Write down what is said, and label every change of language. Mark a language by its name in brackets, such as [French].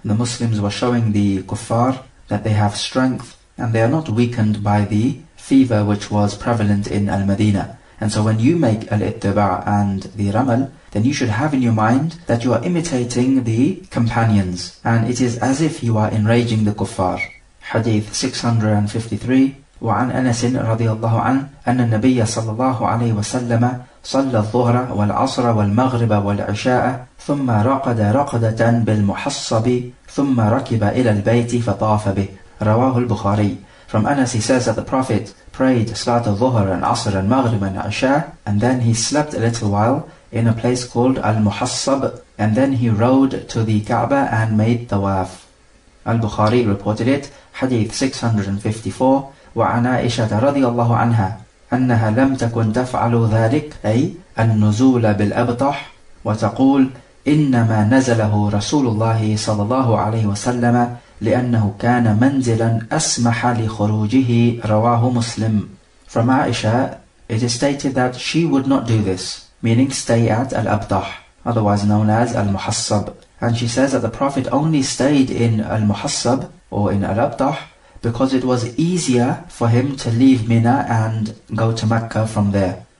[English] The Muslims were showing the Kuffar that they have strength, and they are not weakened by the fever which was prevalent in Al-Madina. And so when you make Al-Ittiba' and the Ramal, then you should have in your mind that you are imitating the companions, and it is as if you are enraging the Kuffar. Hadith 653. [Arabic] وعن أنس رضي الله عنه أن النبي صلى الله عليه وسلم صلى الظهر والعصر والمغرب والعشاء ثم رقد رقدة بالمحصب ثم ركب إلى البيت فطاف به. رواه البخاري. [English] From Anas, he says that the Prophet prayed Salat al-Dhuhr and Asr and Maghrib and Isha, and then he slept a little while in a place called Al-Muhassab, and then he rode to the Kaaba and made Tawaf. Al-Bukhari reported it. Hadith 654. [Arabic] وعن عائشة رضي الله عنها أنها لم تكن تفعل ذلك أي النزول بالأبطح وتقول إنما نزله رسول الله صلى الله عليه وسلم لأنه كان منزلا أسمح لخروجه. رواه مسلم. [English] From Aisha, it is stated that she would not do this, meaning stay at Al-Abtah, otherwise known as Al-Muhassab. And she says that the Prophet only stayed in Al-Muhassab or in Al-Abtah because it was easier for him to leave Mina and go to Mecca from there.